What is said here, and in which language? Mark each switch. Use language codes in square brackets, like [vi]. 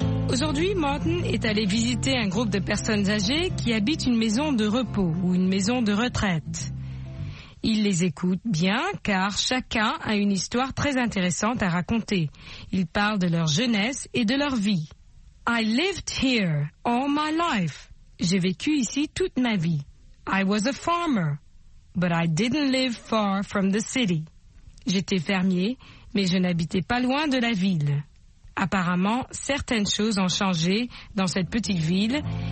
[fr] Aujourd'hui, Martin est allé visiter un groupe de personnes âgées qui habitent une maison de repos ou une maison de retraite. Il les écoute bien car chacun a une histoire très intéressante à raconter. Ils parlent de leur jeunesse et de leur vie. [en] I lived here all my life. [fr] J'ai vécu ici toute ma vie. [en] I was a farmer, but I didn't live far from the city. [fr] J'étais fermier, mais je n'habitais pas loin de la ville. Apparemment, certaines choses ont changé dans cette petite ville.